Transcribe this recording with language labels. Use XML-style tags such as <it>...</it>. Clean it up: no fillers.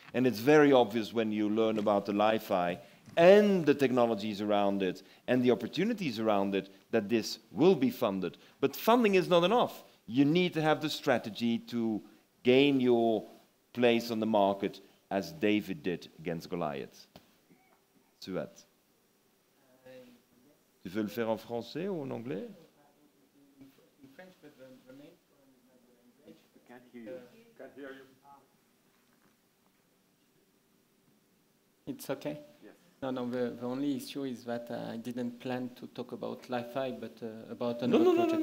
<en>And it's very obvious when you learn about the LiFi and the technologies around it and the opportunities around it that this will be funded. But funding is not enough. You need to have the strategy to gain your place on the market as David did against Goliath. Suat.</en> <fr>Tu veux le faire en français ou en anglais?</fr> <en>In French, but the main problem is not the language. I can't hear you. It's okay? Yes. The only issue is that I didn't plan to talk about LiFi, but about another project.</en>